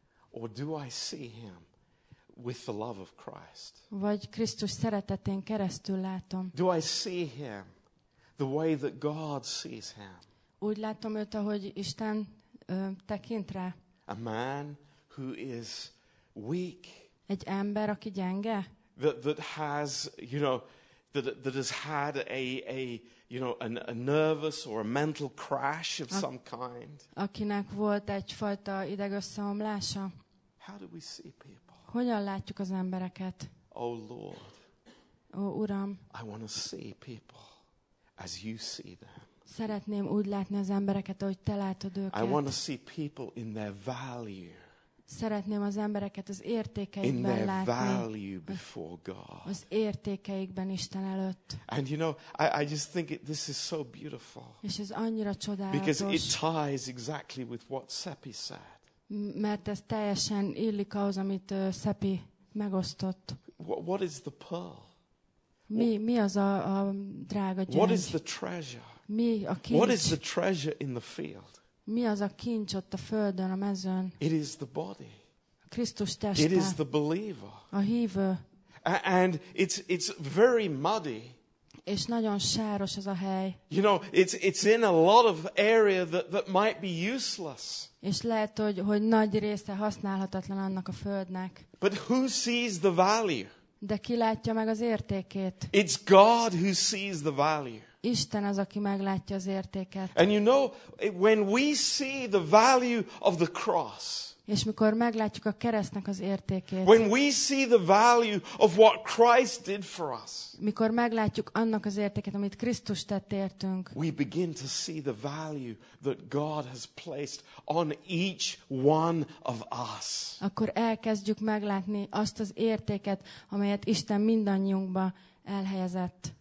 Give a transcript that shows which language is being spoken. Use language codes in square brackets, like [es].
[en] Or do I see him with the love of Christ? [hu] Vagy Krisztus szeretetén keresztül látom. [en] Do I see him the way that God sees him? [hu] Úgy látom őt, ahogy Isten tekint rá. [en] A man who is weak. [hu] Egy ember, aki gyenge. [en] That has, you know, that has had a you know, a nervous or a mental crash of some kind. [hu] Akinek volt egyfajta idegösszeomlása. [en] How do we see people? [hu] Hogyan látjuk az embereket? [en] Oh Lord. [hu] Ó Uram. [en] I want to see people as you see them. [hu] Szeretném úgy látni az embereket, ahogy te látod őket. [en] I want to see people in their value. [hu] Szeretném az embereket az értékeikben látni. [en] Value before God. [hu] Az értékeikben Isten előtt. [en] And you know, I just think this is so beautiful. [hu] És ez annyira csodálatos. [en] Because it ties exactly with what Seppi said. [hu] Mert ez teljesen illik ahhoz, amit Seppi megosztott. [en] What is the pearl? [hu] Mi az a drága gyöngy? [en] What is the treasure? [hu] Mi a kincs? [en] What is the treasure in the field? [hu] Mi az a kincs ott a földön, a mezőn? [en] It is the body. [hu] Krisztus teste. [en] It is the believer. [hu] A hívő. [en] And it's very muddy. [hu] És nagyon sáros ez a hely. [en] You know, it's in a lot of area that might be useless. [hu] És lehet, hogy nagy része használhatatlan annak a földnek. [en] But who sees the value? [hu] De ki látja meg az értékét? [en] It's God who sees the value. [hu] Isten az, aki meglátja az értéket. [en] And you know, when we see the value of the cross. [hu] És mikor meglátjuk a keresztnek az értékét. [en] When we see the value of what Christ did for us. [hu] Mikor meglátjuk annak az értéket, amit Krisztus tett értünk. [en] We begin to see the value that God has placed on each one of us. [hu] Akkor elkezdjük meglátni azt az értéket, amelyet Isten mindannyiunkba elhelyezett.